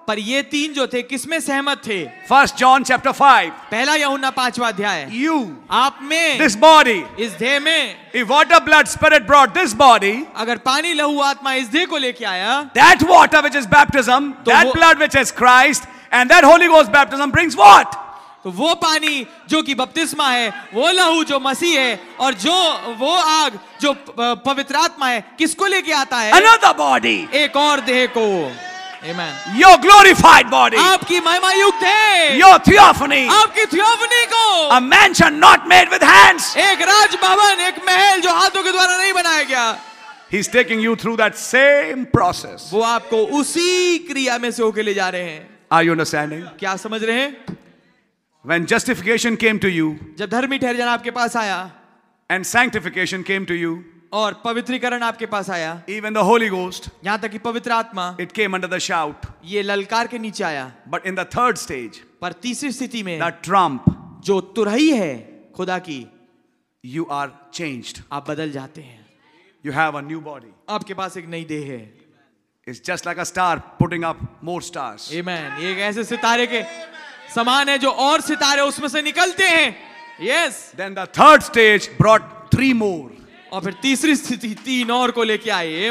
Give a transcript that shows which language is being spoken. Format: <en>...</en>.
<hi>पर ये तीन जो थे किसमें सहमत थे?</hi> <en>First John chapter 5.</en> <hi>पहला यूहन्ना पांचवा अध्याय.</hi> <en>You.</en> <hi>आप में.</hi> <en>This body.</en> <hi>इस देह में.</hi> <en>If water, blood, spirit brought this body.</en> <hi>अगर पानी लहू आत्मा इस देह को लेके आया.</hi> <en>That water which is baptism, that blood which is Christ, and that Holy Ghost baptism brings what?</en> <hi>तो वो पानी जो कि बपतिस्मा है, वो लहू जो मसीह है, और जो वो आग जो पवित्र आत्मा है, किसको लेके आता है?</hi> <en>Another body.</en> <hi>एक और देह को. Amen.</hi> <en>Your glorified body.</en> <hi>आपकी महिमा युक्त है.</hi> <en>Your theophany.</en> <hi>आपकी theophany को.</hi> <en>A mansion not made with hands.</en> <hi>एक राज भवन, एक महल जो हाथों के द्वारा नहीं बनाया गया.</hi> <en>He's taking you through that same process.</en> <hi>वो आपको उसी क्रिया में से होके ले जा रहे हैं.</hi> <en>Are you understanding?</en> <hi>क्या समझ रहे हैं?</hi> <en>When justification came to you,</en> <hi>जब धर्मी ठहरना आपके पास आया,</hi> <en>and sanctification came to you,</en> <hi>और पवित्रीकरण आपके पास आया,</hi> <en>even the Holy Ghost,</en> <hi>यहाँ तक कि पवित्र आत्मा,</hi> <en>it came under the shout,</en> <hi>ये ललकार के नीचे आया,</hi> <en>but in the third stage,</en> <hi>पर तीसरी स्थिति में,</hi> <en>the trump,</en> <hi>जो तुरही है खुदा की,</hi> <en>you are changed,</en> <hi>आप बदल जाते हैं,</hi> <en>you have a new body,</en> <hi>आपके पास एक नई देह है.</hi> <en>It's just like a star putting up more stars. Amen.</en> <hi>ये ऐसे सितारे के समान है जो और सितारे उसमें से निकलते हैं.</hi> <en>Yes. Then the third stage brought three more.</en> <hi>और फिर तीसरी स्थिति तीन और को लेके आई.</hi>